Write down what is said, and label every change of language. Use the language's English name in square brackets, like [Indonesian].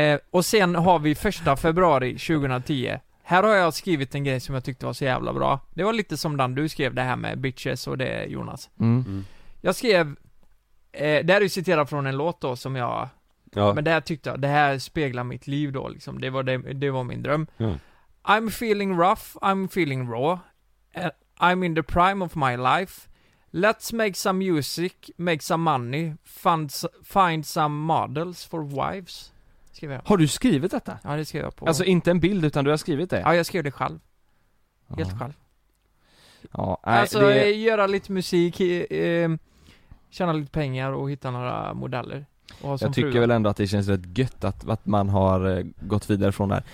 [Swedish] Och sen har vi 1 februari 2010. Här har jag skrivit en grej som jag tyckte var så jävla bra. Det var lite som den du skrev, det här med bitches och det, Jonas. Mm. Jag skrev det här är ju citerat från en låt då som jag men det här tyckte jag, det här speglar mitt liv då liksom. Det var min dröm. Mm. [English] I'm feeling rough, I'm feeling raw. I'm in the prime of my life. Let's make some music, make some money, find some models for wives. [Swedish] Har du skrivit detta? Ja, det skrev jag på. Alltså inte en bild utan du har skrivit det? Ja, jag skrev det själv. Helt själv. Ja, alltså göra lite musik, tjäna lite pengar och hitta några modeller. Jag tycker väl ändå att det känns rätt gött att man har gått vidare från det här.